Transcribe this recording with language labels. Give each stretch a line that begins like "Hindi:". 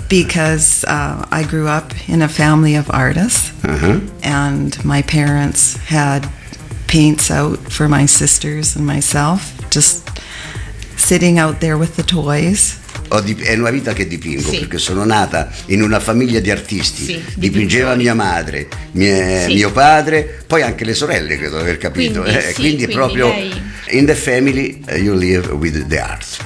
English: Because I grew up in a family of artists, uh-huh. and my parents had paints out for my sisters and myself, just sitting out there with the toys.
Italian: È una vita che dipingo, sì. perché sono nata in una famiglia di artisti, sì, dipingeva dipingi. Mia madre, mio padre, poi anche le sorelle, credo di aver capito. Quindi è proprio lei.
English: In the family you live with the art.